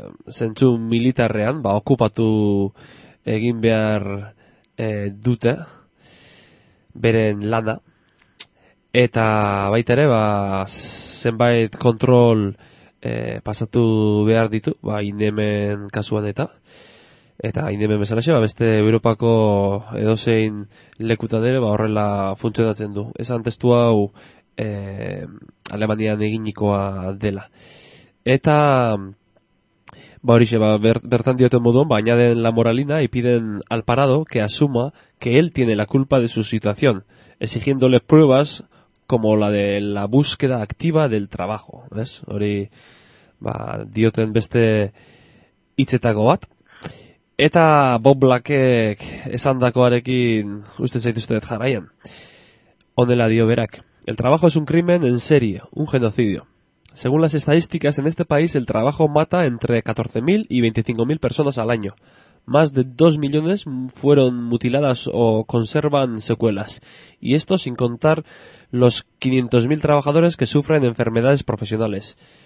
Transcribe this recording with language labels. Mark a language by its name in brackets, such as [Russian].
[Basque] zentzu militarrean, ba, okupatu egin behar dute, beren lana, eta baita ere, ba, zenbait kontrol pasatu behar ditu, ba, inemen kasuan eta, eta inemen bezala xe, ba, beste Europako edozein lekutan ere, ba, horrela funtzionatzen du. Esan testu hau Alemanian eginikoa dela. Eta, ba, hori xe, ba, bertan dioten moduan, ba, [Spanish] añaden la moralina y piden al parado que asuma que él tiene la culpa de su situación, exigiéndole pruebas como la de la búsqueda activa del trabajo, ¿ves? [Basque] Hori, ba, dioten beste hitzetako bat. Eta Bob Blackek esandakoarekin uste zaituztet jarraian. Honela dio berak. [Spanish] El trabajo es un crimen en serie, un genocidio. Según las estadísticas, en este país el trabajo mata entre 14.000 y 25.000 personas al año. Más de 2 millones fueron mutiladas o conservan secuelas. Y esto sin contar los 500.000 trabajadores que sufren enfermedades profesionales.